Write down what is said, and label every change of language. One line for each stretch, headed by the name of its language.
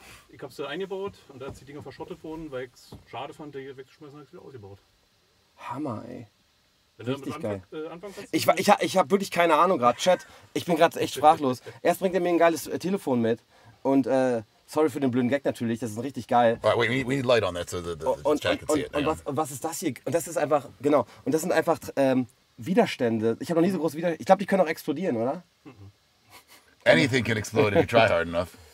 German: Ich hab's eingebaut und da hat die Dinger verschrottet worden, weil ich's schade fand, die wegzuschmeißen, hab ich's wieder ausgebaut. Hammer, ey. Richtig geil. Ich hab wirklich keine Ahnung gerade. Chat, ich bin gerade echt sprachlos. Erst bringt er mir ein geiles Telefon mit und Sorry für den blöden Gag natürlich, das ist richtig geil.
English: Right, we need light on that so the Jack can see it.
German: Und was ist das hier? Und das ist einfach, genau. Und das sind einfach Widerstände. Ich habe noch nie so große Widerstände. Ich glaube, die können auch explodieren, oder?
English: Anything can explode if you try hard enough.